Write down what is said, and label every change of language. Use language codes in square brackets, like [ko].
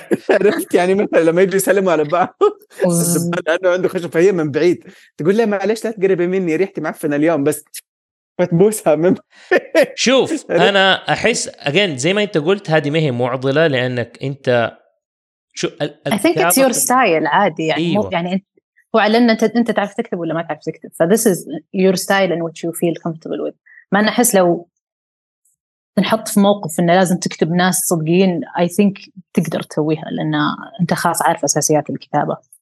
[ar] عرفت يعني مثلا لما يجي يسلموا على بعض لأنه عنده خشب، فهي من بعيد تقول له معلش لا تقربي مني ريحتي معفنة اليوم، بس فتبوسها من شوف. أنا أحس [en] again [ar] زي ما أنت قلت هذه ما هي معضلة، لأنك أنت شو [en] I think it's your style [ar] عادي يعني. أيوة. يعني هو على أن أنت تعرف تكتب ولا ما تعرف تكتب، [en] so this is your style and what you feel comfortable with. [ar] ما أنا أحس لو نحط في موقف إنه لازم تكتب ناس صدقين، [en] I think [ar] تقدر تسويها لأن أنت خاص عارف أساسيات الكتابة.